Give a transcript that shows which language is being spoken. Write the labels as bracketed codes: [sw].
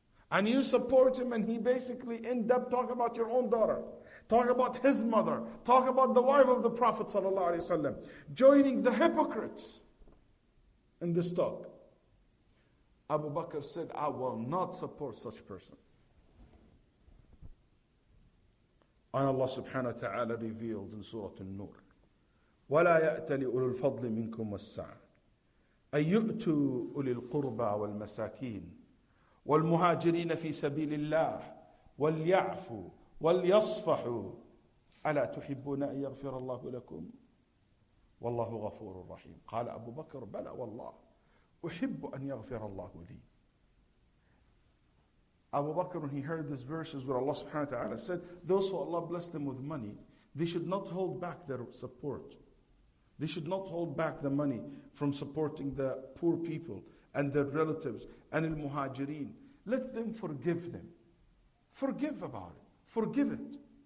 [en] And you support him, and he basically end up talking about your own daughter. Talk about his mother. Talk about the wife of the Prophet sallallahu alaihi wasallam. Joining the hypocrites in this talk. Abu Bakr said, "I will not support such person." And Allah subhanahu wa ta'ala revealed in Surah An-Nur, [ar] "وَلَا يَأْتَلِ أُولُو الْفَضْلِ مِنْكُمْ وَالسَّعَةِ أن يؤتوا أولي القربى والمساكين والمهاجرين في سبيل الله وليعفوا وليصفحوا ألا تحبون أن يغفر الله لكم والله غفور رحيم." قال أبو بكر: "بلى والله أحب أن يغفر الله لي." [en] Abu Bakr, when he heard these verses where Allah subhanahu wa ta'ala said, those who Allah blessed them with money, they should not hold back their support. They should not hold back the money from supporting the poor people and their relatives and al-muhajireen. Let them forgive them. Forgive about it. Forgive it.